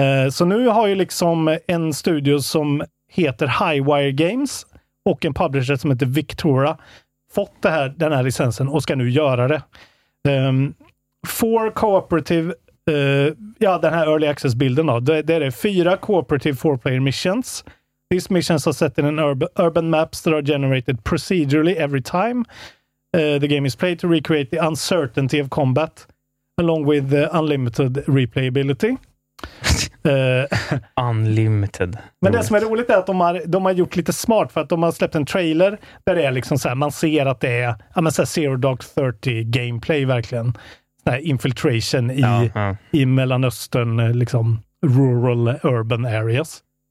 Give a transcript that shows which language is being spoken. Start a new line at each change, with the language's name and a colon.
Swedish: Så nu har ju liksom en studio som heter Highwire Games och en publisher som heter Victora fått den här licensen och ska nu göra det.
English: Four cooperative,
Swedish: den här early access bilden då, det är det. Fyra
English: cooperative four player missions. These missions are set in an urban maps that are generated procedurally every time the game is played to recreate the uncertainty of combat along with the unlimited replayability. Unlimited.
Swedish: Men det som är roligt är att de har gjort lite smart, för att de har släppt en trailer där det är liksom så här, man ser att det är, ja, men så här Zero Dark 30 gameplay verkligen. Så här infiltration i Mellanöstern, liksom
English: rural urban areas.